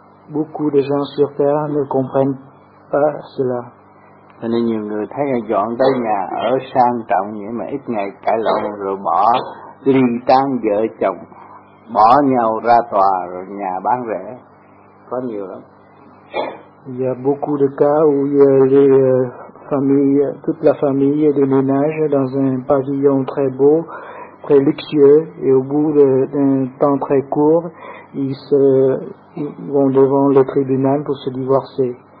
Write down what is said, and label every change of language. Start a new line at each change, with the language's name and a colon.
French: Beaucoup de gens sur Terre ne comprennent pas cela.
Vietnamese: Cho nên nhiều người thấy dọn tới nhà ở sang trọng nhưng mà ít ngày cãi lộn rồi bỏ ly tán vợ chồng, bỏ nhau ra tòa rồi nhà bán rẻ.
French: Il y a beaucoup de cas où les familles, toute la famille déménage dans un pavillon très beau, très luxueux, et au bout d'un temps très court, ils vont devant le tribunal pour se divorcer.